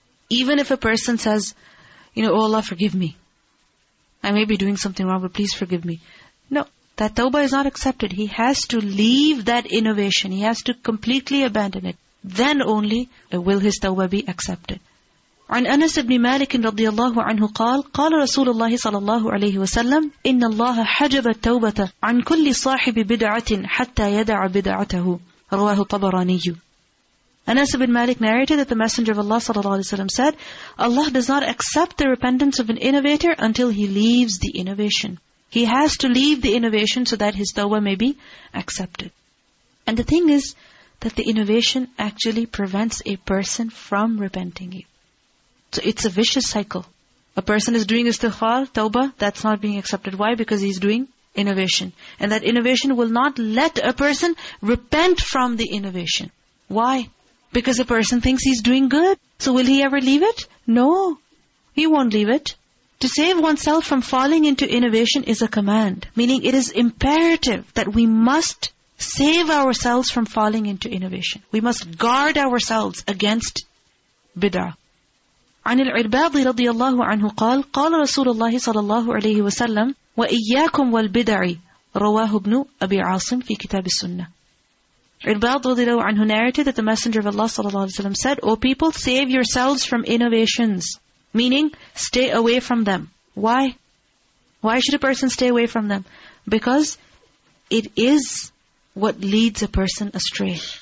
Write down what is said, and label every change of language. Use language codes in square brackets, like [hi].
[en] Even if a person says, you know, oh Allah, forgive me. I may be doing something wrong, but please forgive me. No, that tawbah is not accepted. He has to leave that innovation. He has to completely abandon it. Then only will his tawbah be accepted. [ar] عن أنس بن مالك رضي الله عنه قال قال رسول الله صلى الله عليه وسلم إن الله حجب التوبة عن كل صاحب بدعة حتى يدع بدعته رواه الطبراني. [en] Anas ibn Malik narrated that the Messenger of Allah sallallahu alaihi wasallam said, Allah does not accept the repentance of an innovator until he leaves the innovation. He has to leave the innovation so that his tawbah may be accepted. And the thing is that the innovation actually prevents a person from repenting it. So it's a vicious cycle. A person is doing istighfar, tawbah, that's not being accepted. Why? Because he's doing innovation. And that innovation will not let a person repent from the innovation. Why? Because a person thinks he's doing good. So will he ever leave it? No, he won't leave it. To save oneself from falling into innovation is a command. Meaning it is imperative that we must save ourselves from falling into innovation. We must guard ourselves against bid'ah. [ar] عن العرباض رضي الله عنه قال قال رسول الله صلى الله عليه وسلم وإياكم والبدع رواه ابن أبي عاصم في كتاب السنة. [en] عرباض [ar] رضي الله عنه [en] narrated that the Messenger of Allah [ar] صلى الله عليه وسلم [en] said, O people, save yourselves from innovations. Meaning, stay away from them. Why? Why should a person stay away from them? Because it is what leads a person astray.